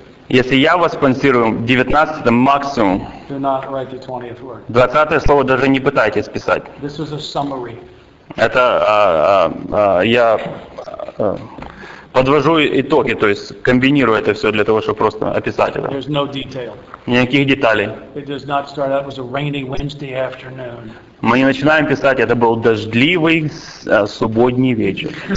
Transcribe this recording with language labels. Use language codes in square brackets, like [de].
[ru] Если я вас спонсирую, 19 это максимум. 20-е слово даже не пытайтесь писать. [en] This is a summary. [ru] Это подвожу итоги, то есть комбинирую это все для того, чтобы просто описать это. [en] There's no detail. [ru] Никаких деталей. [en] It does not start. That was a rainy Wednesday afternoon. [ru] Мы не начинаем писать, это был дождливый субботний вечер.